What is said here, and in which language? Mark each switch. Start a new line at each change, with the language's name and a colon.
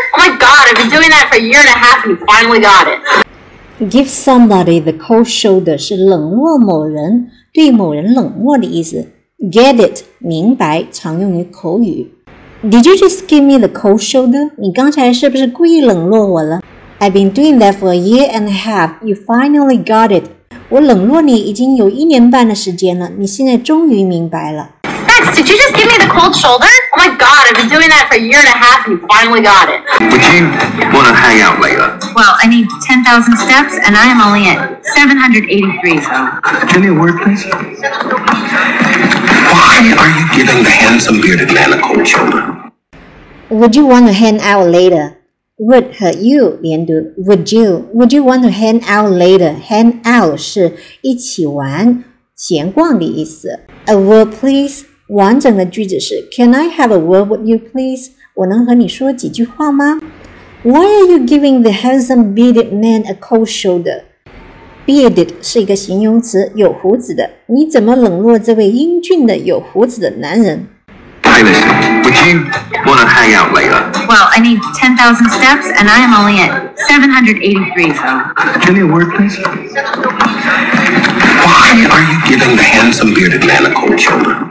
English: Oh my god, I've been doing that for a year and a half and finally got it. Give somebody the cold shoulder
Chinese: 是冷漠某人，对某人冷漠的意思。
English: Get it,
Chinese: 明白，常用于口语。
English: Did you just give me the cold shoulder?
Chinese: 你刚才是不是故意冷落我了？
English: I've been doing that for a year and a half. You finally got it.
Chinese: 我冷落你已经有一年半的时间了，你现在终于明白了。
English: Max, did you just give me the cold shoulder? Oh my god, I've been doing that for a year and a half and you finally got it. Would you want to hang out later? Well, I need 10,000 steps and I am only at 783, so... Give me a word, please. Why are you giving the handsome bearded man a cold shoulder? Would you want to hang out later? Would
Chinese: 和
English: you
Chinese: 连读
English: Would you want to hang out later?
Chinese: Hang out 是一起玩、闲逛的意思。
English: A word, please.
Chinese: 完整的句子是
English: Can I have a word with you, please?
Chinese: 我能和你说几句话吗？
English: Why are you giving the handsome bearded man a cold shoulder?
Chinese: Bearded 是一个形容词，有胡子的。你怎么冷落这位英俊的有胡子的男人
English: ？Hey, listen. Would you want to hang out later? Well, I need 10,000 steps, and I am only at 783. So, give me a word, please. Why are you giving the handsome bearded man a cold shoulder?